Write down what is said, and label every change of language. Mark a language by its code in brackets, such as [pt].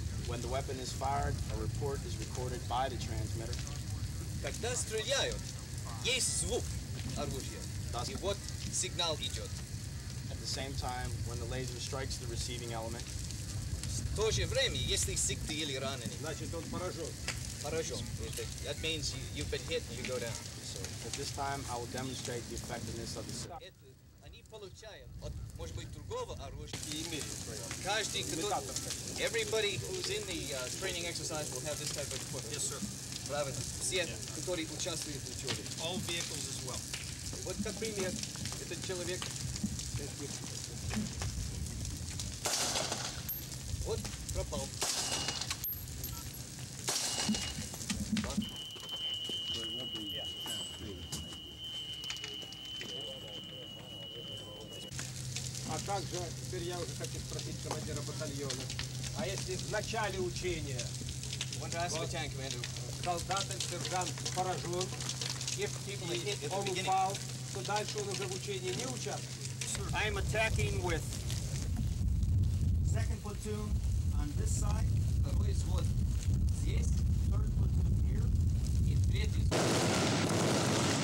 [en] When the weapon is fired, a report is recorded by the transmitter. [ru] Когда стреляют, есть звук оружия. И вот сигнал идет. [en] At the same time, when the laser strikes the receiving element. [ru] В то же время, если сикты или ранены. Значит, он поражен. Поражен. [en] That means you've been hit and you go down. So, at this time, I will demonstrate the effectiveness of the system. [ru] Они получают от, может быть, другого оружия. И имеют. Каждый, кто... [en] Everybody who's in the training exercise will have this type of equipment. Yes, sir. [ru] Правильно. Все, которые участвуют в учебе. [en] All vehicles as well. [ru] Вот, например, этот человек. Вот, пропал. А как же, теперь я уже хочу спросить командира батальона. А если в начале учения вот, солдат или сержант поражен, [en] I am attacking with second platoon on this side. [ru] Второй взвод здесь. [en] Third platoon here. [ru] И третий взвод.